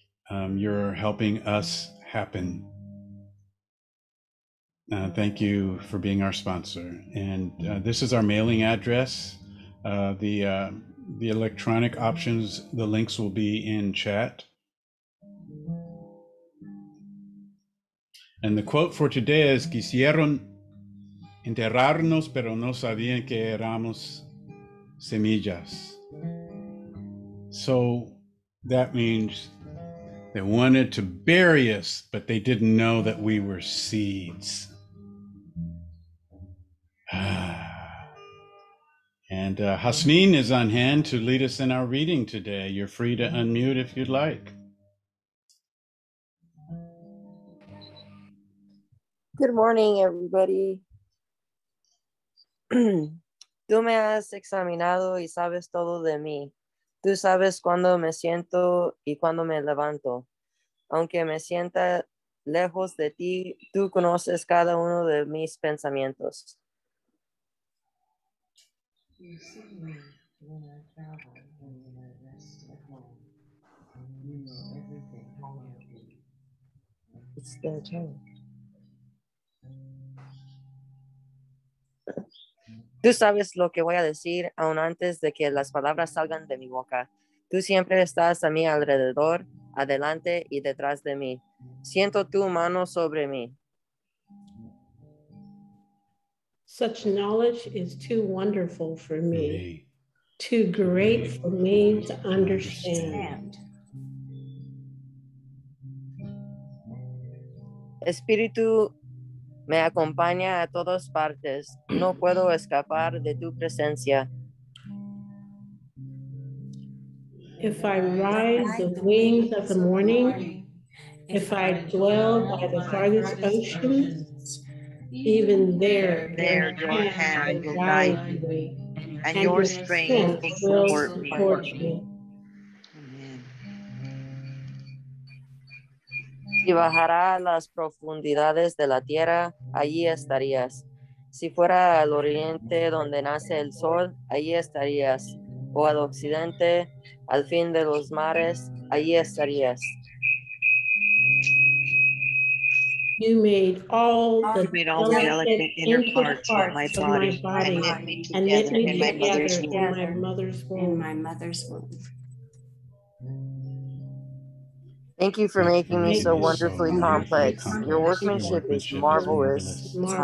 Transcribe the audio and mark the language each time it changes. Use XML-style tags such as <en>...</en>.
<en>You're helping us happen. Thank you for being our sponsor. And this is our mailing address. The electronic options, the links will be in chat. And the quote for today is,</en> <es>quisieron enterrarnos, pero no sabían que éramos semillas.</es> <en>So that means they wanted to bury us, but they didn't know that we were seeds. And Hasmin is on hand to lead us in our reading today. You're free to unmute if you'd like. Good morning, everybody.</en> <es>Tú me has examinado y sabes todo de mí. Tú sabes cuando me siento y cuando me levanto. Aunque me sienta lejos de ti, tú conoces cada uno de mis pensamientos.</es> <en>You see me when I travel and when I rest at home, and you know everything how I be. It's their turn.</en> <es>Tú sabes lo que voy a decir aun antes de que las palabras salgan de mi boca. Tú siempre estás a mi alrededor, adelante y detrás de mí. Siento tu mano sobre mí.</es> <en>Such knowledge is too wonderful for me, too great for me to understand.</en> <es>Espíritu me acompaña a todas partes. No puedo escapar de tu presencia.</es> <en>If I rise the wings of the morning, if I dwell by the farthest ocean, even there your hand will guide me, and your strength will support me.</en> <es>Si bajara a las profundidades de la tierra, allí estarías. Si fuera al oriente donde nace el sol, allí estarías. O al occidente, al fin de los mares, allí estarías.</es> <en>You made all the delicate inner parts of my body, and knit me together in my mother's womb. Thank you for making me so wonderfully complex. Your workmanship is marvelous.</en>